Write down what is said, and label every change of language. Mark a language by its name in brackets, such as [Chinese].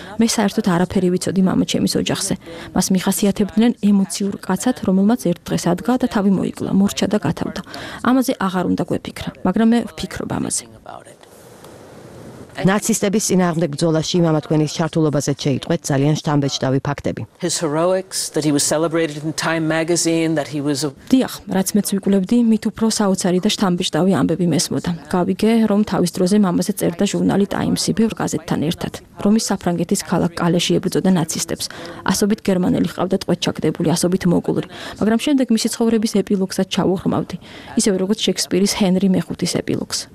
[Georgian] მე საერთოდ არაფერი ვიცოდი მამაჩემის ოჯახზე. მას მიხასიათებდნენ ემოციურ კაცად, რომელმაც ერთ დღეს ადგა და თავი მოიკლა, მორჩა და გათავდა. ამაზე აღარ უნდა გვეფიქრა, მაგრამ მე ვფიქრობ ამაზე. ნაცისტების წინააღმდეგ ბრძოლაში მამა თქვენის ჩართულობაზეც შეიტყვეთ ძალიან შთამბეჭდავი ფაქტები. [English] His heroics that he was celebrated in Time magazine that he was [Georgian] დიახ, რაც მეც ვიკვლევდი, მით უფრო საოცარი და შთამბეჭდავი ამბები მესმოდა. გავიგე, რომ თავის დროზე მამაზე წერდა ჟურნალი Time-ი ბევრ გაზეთთან ერთად, რომ ის საფრანგეთის ქალაქ კალეში ებრძოდა ნაცისტებს. ასობით გერმანელი ჰყავდა ტყვედ ჩაგდებული, ასობით მოკლული, მაგრამ შემდეგ მისი ცხოვრების ეპილოგსაც ჩავუღრმავდი, ისევე როგორც შექსპირის ჰენრი მეხუთის ეპილოგს.